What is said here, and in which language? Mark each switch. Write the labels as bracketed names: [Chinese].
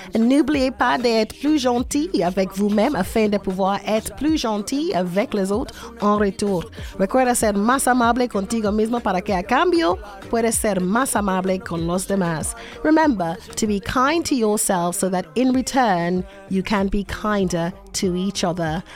[French] Et n'oubliez pas d'être plus gentil avec vous-même afin de pouvoir être plus gentil avec les autres en retour. [Spanish] Recuerda ser más amable contigo mismo para que a cambio puedas ser más amable con los demás. [English] Remember to be kind to yourself so that in return you can be kinder to each other.